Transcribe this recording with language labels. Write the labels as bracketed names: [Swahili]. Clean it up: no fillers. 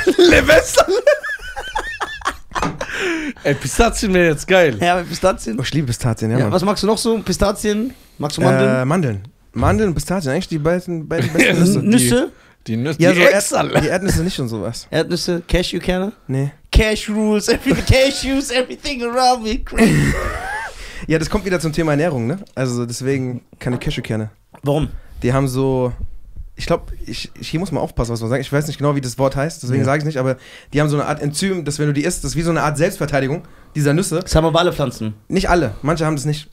[German] Le Messer. Ey, Pistazien wäre jetzt geil. Ja, Pistazien. Oh, ich liebe Pistazien, ja. Was magst du noch so? Pistazien? Magst du Mandeln? Mandeln. Mandeln und Pistazien, eigentlich die beiden besten Nüsse. Nüsse? Die Nüsse, ja, die so Ex, die Erdnüsse nicht und sowas. Erdnüsse? Cashewkerne? Nee. [English] Cash rules, Cashews, everything around me. [German] Ja, das kommt wieder zum Thema Ernährung, ne? Also deswegen keine Cashewkerne. Warum? Die haben so, ich glaube, hier muss man aufpassen, was man sagt. Ich weiß nicht genau, wie das Wort heißt, deswegen sage ich es nicht, aber die haben so eine Art Enzym, dass wenn du die isst, das ist wie so eine Art Selbstverteidigung dieser Nüsse. Das haben aber alle Pflanzen. Nicht alle, manche haben das nicht.